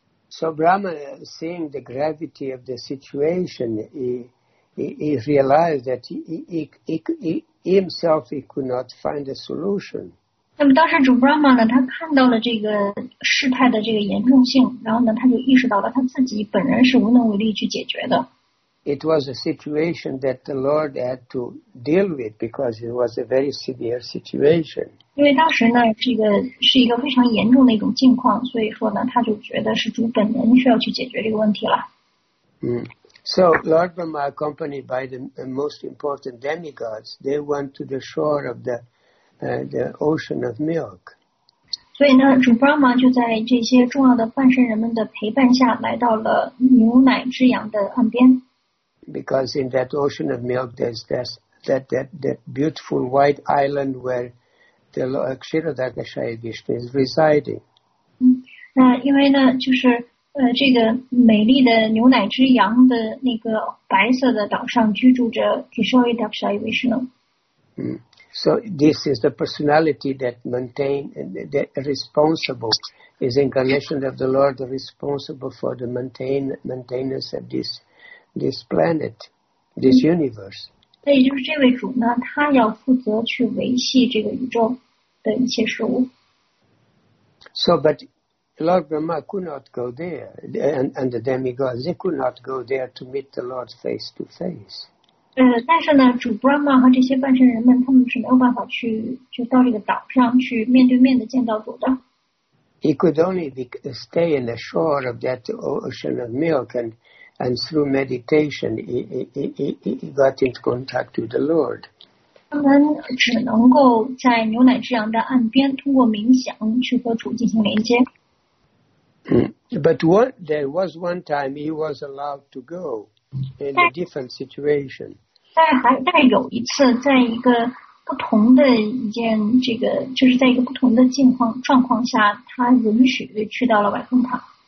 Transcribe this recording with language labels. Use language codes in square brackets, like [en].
[en] So Brahma, seeing the gravity of the situation, he realized that he himself could not find a solution. [zh] 那么当时主 Brahma 呢，他看到了这个事态的这个严重性，然后呢，他就意识到了他自己本人是无能为力去解决的。 [en] It was a situation that the Lord had to deal with because it was a very severe situation. [zh] 因为当时呢，这个是一个非常严重的一种境况，所以说呢，他就觉得是主本人需要去解决这个问题了。 [en] So Lord Brahma, accompanied by the most important demigods, they went to the shore of the ocean of milk. [zh] 所以呢，主 Brahma 就在这些重要的半神人们的陪伴下，来到了牛奶之洋的岸边。 [en] Because in that ocean of milk, there's that beautiful white island where the Kshiradaka Shaivishnu is residing. [zh] 那因为呢，就是这个美丽的牛奶之羊的那个白色的岛上居住着 Kshiradaka Shaivishnu。 [en] So this is the personality that maintain that responsible is incarnation of the Lord, responsible for the maintenance of this planet, this universe. [zh] 那也就是这位主呢，他要负责去维系这个宇宙的一切事物。 [en] So, but Lord Brahma could not go there, and the demigods they could not go there to meet the Lord face to face. [zh] 但是呢，主 Brahma 和这些半身人们，他们是没有办法去就到这个岛上去面对面的见到主的。 [en] He could only stay in the shore of that ocean of milk, and through meditation, he got into contact with the Lord. [zh] 他们只能够在牛奶之羊的岸边，通过冥想去和主进行连接。 [en] But one, there was one time he was allowed to go in a different situation. [zh] 但有一次，在一个不同的一件这个，就是在一个不同的状况下，他允许去到了 Vaikuntha.